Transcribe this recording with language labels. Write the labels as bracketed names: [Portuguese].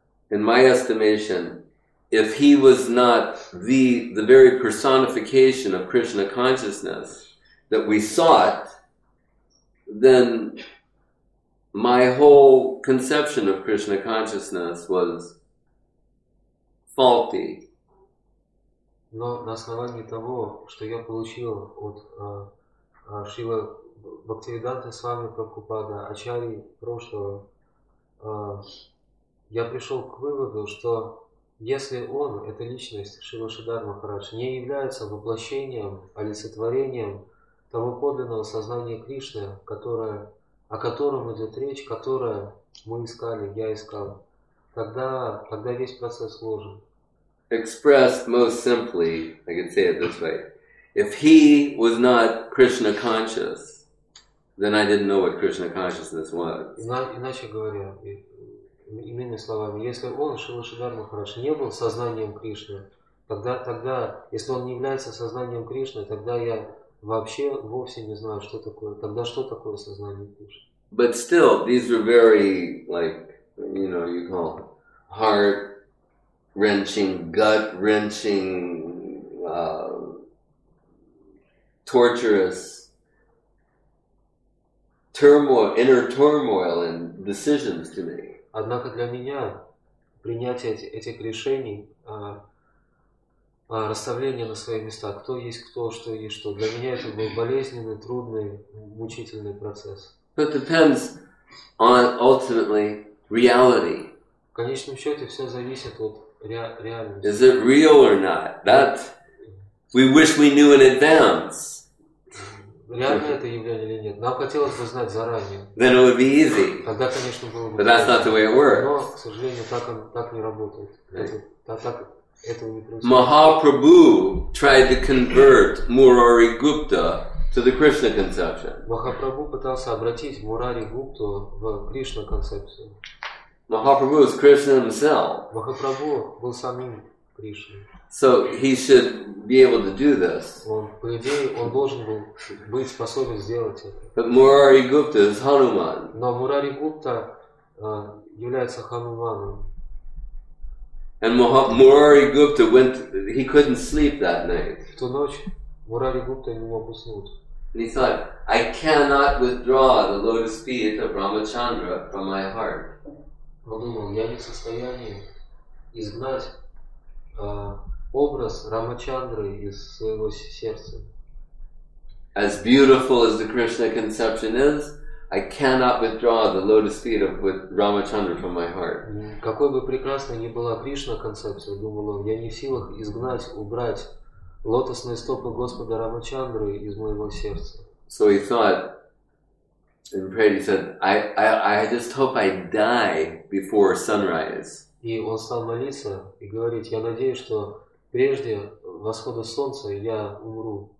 [English] In my estimation, if he was not the very personification of Krishna consciousness that we sought, then my whole conception of Krishna consciousness was faulty. [Russian] Но на основании того, что я получил от Шрилы Бхактивиданты с вами Прабхупада, Ачарьи прошлого, я пришел к выводу, что если он, эта личность, Шрила Шридхар Махарадж, не является воплощением, олицетворением того подлинного сознания Кришны, о котором идет речь, которое мы искали, я искал, тогда весь процесс сложен. [English] Expressed most simply, I could say it this way. If he was not Krishna conscious, then I didn't know what Krishna consciousness was. [Russian] Иначе говоря, иными словами, если он, Шрила Шридхар Махарадж, не был сознанием Кришны, тогда, если он не является сознанием Кришны, тогда я вообще вовсе не знаю, что такое. Тогда что такое сознание Кришны? [English] But still, these were very, like, you know, you call heart wrenching, gut wrenching, torturous turmoil, inner turmoil and decisions to make. [Russian] Однако для меня принятие этих решений, расставление на свои места, кто есть кто, что есть что, для меня это был болезненный, трудный, мучительный процесс. [English] But depends on ultimately reality. [Russian] В конечном счете все зависит от реальности. [English] Is it real or not? That we wish we knew in advance. [Russian] Реально это явление или нет? Нам хотелось бы знать заранее. [English] Then it would be easy. [Russian] Тогда, конечно, было бы. [English] But that's not the way it works. [Russian] Но, к сожалению, так не работает. Так этого не происходит. [English] Mahaprabhu tried to convert Murari Gupta to the Krishna conception. [Russian] Mahaprabhu пытался обратить Мурари Гупту в Кришна концепцию. [English] Mahaprabhu is Krishna himself. [Russian] Mahaprabhu был самим Кришной. [English] So he should be able to do this. [Russian] Он, по идее, он должен был быть способен сделать это. [English] But Murari Gupta is Hanuman. [Russian] Но Мурари Гупта является Хануманом. [English] And Murari Gupta went. He couldn't sleep that night. [Russian] В ту ночь Мурари Гупта не мог уснуть. [English] And he thought, I cannot withdraw the lotus feet of Ramachandra from my heart. [Russian] Подумал, я не в состоянии изгнать образ Рамачандры из своего сердца. [English] As beautiful as the Krishna conception is, I cannot withdraw the lotus feet of with Ramachandra from my heart. [Russian] Какой бы прекрасной ни была Кришна концепция, думал он, я не в силах убрать лотосные стопы Господа Рамачандры из моего сердца. [English] So he thought, in prayer, he said, I just hope I die before sunrise. [Russian] И он стал молиться и говорить, я надеюсь, что прежде восхода солнца я умру.